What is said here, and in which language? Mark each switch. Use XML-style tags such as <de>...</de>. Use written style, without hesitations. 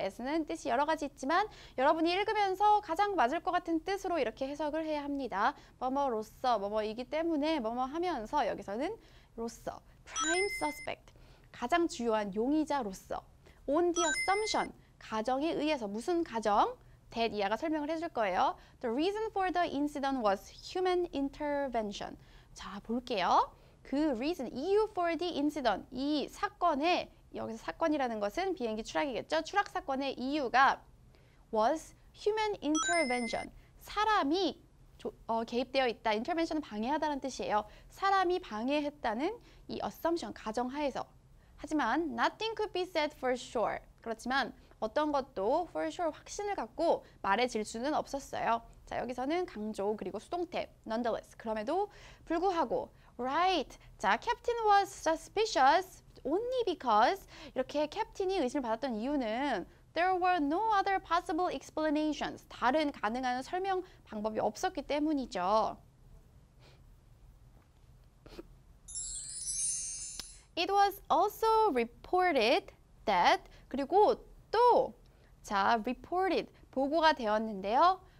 <ko>as는 뜻이 여러 가지 있지만 여러분이 읽으면서 가장 맞을 것 같은 뜻으로 이렇게 해석을 해야 합니다. 뭐뭐로서, 뭐뭐이기 때문에 뭐뭐하면서 여기서는 로서.</ko> <en>prime suspect.</en> <ko>가장 주요한 용의자로서.</ko> <en>on the assumption.</en> <ko>가정에 의해서 무슨 가정? that 이하가 설명을 해줄 거예요.</ko> <en>The reason for the incident was human intervention.</en> <ko>자, 볼게요. 그 reason, 이유</ko> <en>for the incident.</en> <ko>이 사건의, 여기서 사건이라는 것은 비행기 추락이겠죠. 추락 사건의 이유가</ko> <en>was human intervention.</en> <ko>사람이 개입되어 있다. intervention은 방해하다는 뜻이에요. 사람이 방해했다는 이 assumption, 가정하에서. 하지만</ko> <en>nothing could be said for sure.</en> <ko>그렇지만 어떤 것도 for sure 확신을 갖고 말해질 수는 없었어요. 자, 여기서는 강조 그리고 수동태 nonetheless 그럼에도 불구하고 right. 자, captain was suspicious only because 이렇게 캡틴이 의심을 받았던 이유는 there were no other possible explanations. 다른 가능한 설명 방법이 없었기 때문이죠.</ko> <en>It was also reported that</en> <ko>그리고 또, 자, reported, 보고가 되었는데요.</ko>